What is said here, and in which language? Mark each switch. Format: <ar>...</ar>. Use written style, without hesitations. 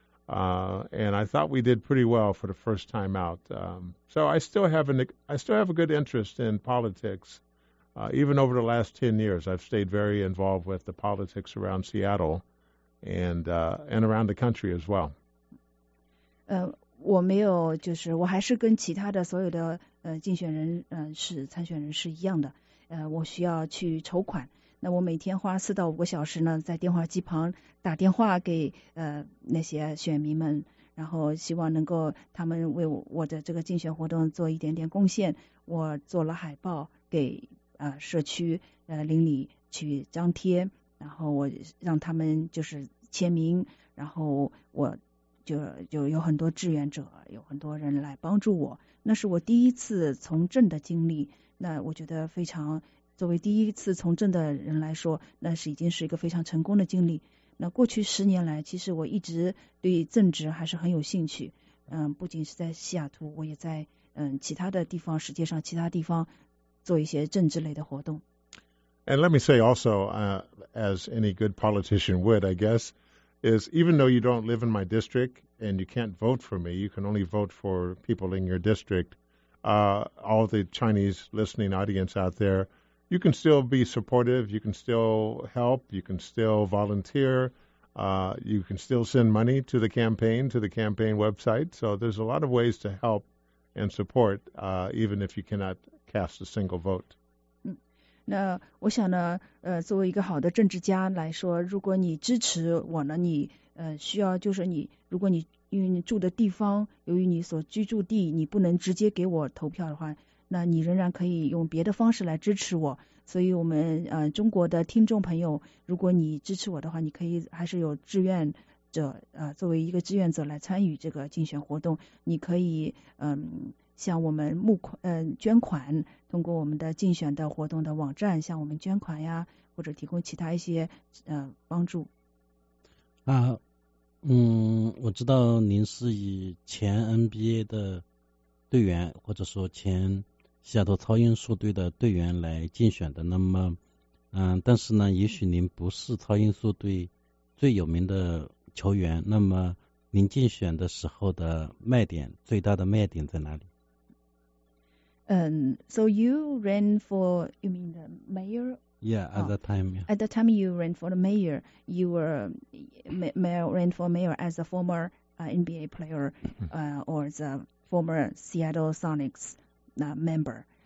<en>And I thought we did pretty well for the first time out. So I still have a good interest in politics. Even over the last 10 years, I've stayed very involved with the politics around Seattle and around the country as well.</en> <zh>我没有，就是我还是跟其他的所有的竞选人是参选人是一样的。我需要去筹款。那我每天花4到5个小时呢，在电话机旁打电话给那些选民们，然后希望能够他们为我的这个竞选活动做一点点贡献。我做了海报给社区邻里去张贴，然后我让他们就是签名，然后我就有很多志愿者，有很多人来帮助我。那是我第一次从政的经历，那我觉得非常。作为第一次从政的人来说，那是已经是一个非常成功的经历。那过去10年来，其实我一直对政治还是很有兴趣。不仅是在西雅图，我也在其他的地方，世界上其他地方做一些政治类的活动。</zh> <en>And let me say also, as any good politician would, I guess, is even though you don't live in my district and you can't vote for me, you can only vote for people in your district. All the Chinese listening audience out there. You can still be supportive, you can still help, you can still volunteer, you can still send money to the campaign, to the campaign website. So there's a lot of ways to help and support, even if you cannot cast a single vote.</en> <zh>那我想呢，作为一个好的政治家来说，如果你支持我呢，你需要就是你，如果你因为你住的地方，由于你所居住地，你不能直接给我投票的话，那你仍然可以用别的方式来支持我，所以我们中国的听众朋友，如果你支持我的话，你可以还是有志愿者作为一个志愿者来参与这个竞选活动，你可以向我们捐款，通过我们的竞选的活动的网站向我们捐款呀，或者提供其他一些帮助。我知道您是以前 NBA 的队员，或者说前西雅图超音速队的队员来竞选的，那么但是呢，也许您不是超音速队最有名的球员，那么您竞选的时候的卖点，最大的卖点在哪里？</zh> <en>So you ran for, you mean the mayor? Yeah, at the time. Yeah. At the time you ran for the mayor, you were ran for mayor as a former NBA player or the former Seattle Sonics member.</en>